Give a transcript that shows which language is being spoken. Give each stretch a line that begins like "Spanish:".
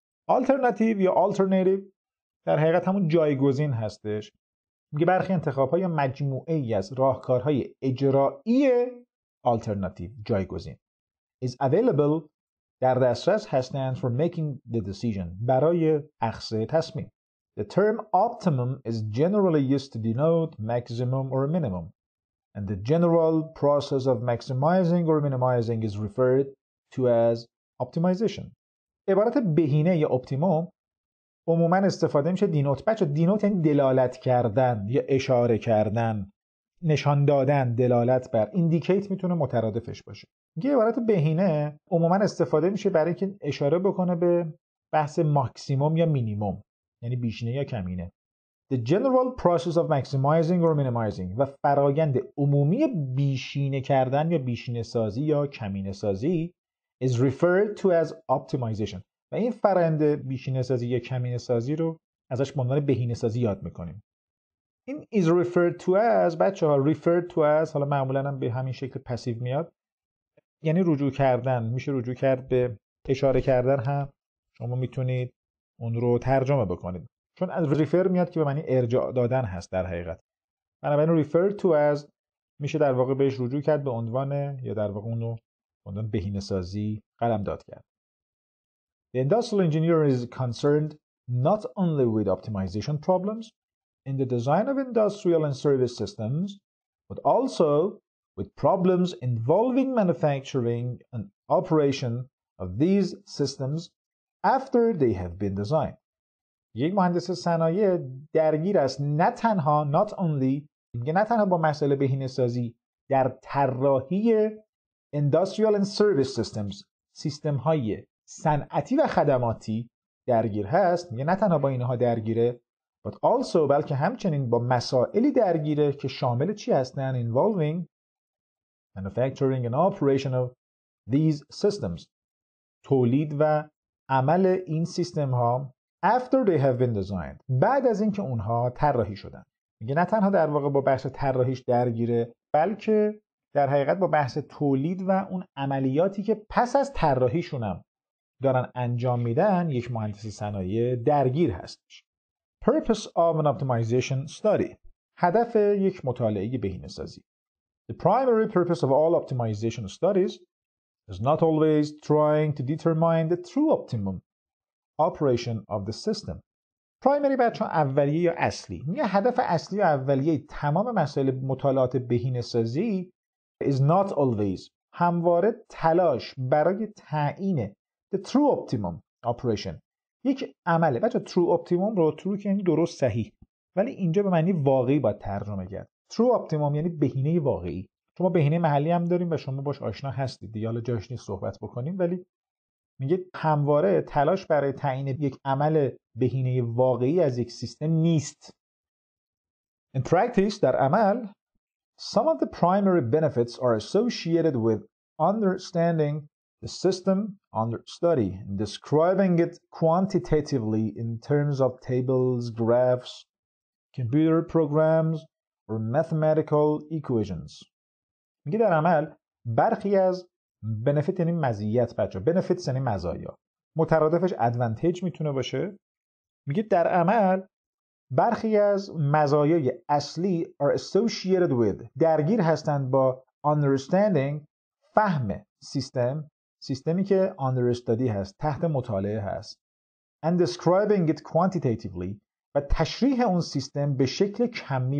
Persian: Alternative یا alternative در حقیقت همون جایگزین هستش. میگه برخی انتخاب‌ها یا مجموعه ای از راهکارهای اجرایی alternative، جایگزین،
English: is available،
Persian: در دسترس هستند،
English: for making the decision،
Persian: برای اخذ تصمیم.
English: The term optimum is generally used to denote maximum or minimum and the general process of maximizing or minimizing is referred to as optimization.
Persian: عبارت بهینه یا اپتیموم عموماً استفاده میشه دینوت. بچه دینوت یعنی دلالت کردن یا اشاره کردن، نشان دادن، دلالت بر، ایندیکیت میتونه مترادفش باشه. یه عبارت بهینه عموماً استفاده میشه برای اینکه اشاره بکنه به بحث ماکسیموم یا مینیموم، یعنی بیشینه یا کمینه.
English: The general process of maximizing or minimizing
Persian: و فرایند عمومی بیشینه کردن یا بیشینه سازی یا کمینه سازی
English: is referred to as optimization.
Persian: و این فرایند بیشینه سازی یا کمینه سازی رو ازش به عنوان بهینه سازی یاد میکنیم. این
English: is referred to as،
Persian: بچه ها
English: referred to as
Persian: حالا معمولا هم به همین شکل پسیو میاد، یعنی رجوع کردن، میشه رجوع کرد به اشاره کردن هم، شما میتونید اون رو ترجمه بکنید، چون از refer میاد که به معنی ارجاع دادن هست در حقیقت. بنابراین
English: referred to as
Persian: میشه در واقع بهش رجوع کرد به عنوان، یا در واقع اون رو عنوان بهینه سازی قلم داد کرد.
English: The industrial engineer is concerned not only with optimization problems in the design of industrial and service systems, but also with problems involving manufacturing and operation of these systems after they have been designed.
Persian: یک مهندس صنایع درگیر است نه تنها،
English: not only،
Persian: نه تنها با مسئله بهینه‌سازی در طراحی
English: industrial and service systems،
Persian: سیستم های صنعتی و خدماتی درگیر هست، میگه نه تنها با اینها درگیره،
English: but also،
Persian: بلکه همچنین با مسائلی درگیره که شامل چی هستن،
English: involving manufacturing and operation of these systems،
Persian: تولید و عمل این سیستم ها
English: after they have been designed،
Persian: بعد از اینکه اونها طراحی شدن. میگه نه تنها در واقع با بحث طراحیش درگیره، بلکه در حقیقت با بحث تولید و اون عملیاتی که پس از طراحیشون هم دارن انجام میدن یک مهندس صنایع درگیر هست.
English: Purpose of an optimization study،
Persian: هدف یک مطالعه بهینه سازی.
English: The primary purpose of all optimization studies is not always trying to determine the true optimum operation of the system.
Persian: Primary بچه ها اولیه یا اصلی، یه هدف اصلی یا اولیه تمام مسائل مطالعات بهینه سازی
English: is not always،
Persian: همواره تلاش برای تعیین
English: the true optimum operation،
Persian: یک عمله. بچه true optimum رو true که یعنی درست صحیح، ولی اینجا به معنی واقعی باید ترجمه کرد. true optimum یعنی بهینه واقعی. شما بهینه محلی هم داریم و شما باش آشنا هستید، دیگه حالا جاش نیست صحبت بکنیم، ولی میگه همواره تلاش برای تعیین یک عمل بهینه واقعی از یک سیستم نیست.
English: In practice،
Persian: در عمل،
English: some of the primary benefits are associated with understanding the system under study and describing it quantitatively in terms of tables, graphs, computer programs or mathematical equations.
Persian: میگه در عمل برخی از بنفیت یعنی مزیت، بچه بنفیت یعنی مزایا، مترادفش ادوانتیج میتونه باشه. میگه در عمل برخی از مزایای اصلی
English: are associated with،
Persian: درگیر هستند با understanding، فهم سیستم، سیستمی که understudy هست، تحت مطالعه هست،
English: and describing it quantitatively،
Persian: و تشریح اون سیستم به شکل کمی.